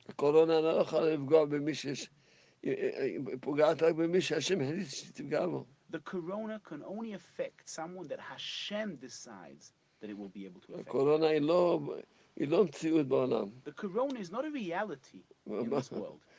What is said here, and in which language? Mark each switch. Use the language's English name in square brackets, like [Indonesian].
[Hebrew] הקורונה לא יכולה לפגוע במי שיש... פוגעת רק במי שהשם החליט שתפגע בו. [English] The corona can only affect someone that Hashem decides that it will be able to affect. [Hebrew] הקורונה היא לא מציאות בעולם. [English] The corona is not a reality in this world.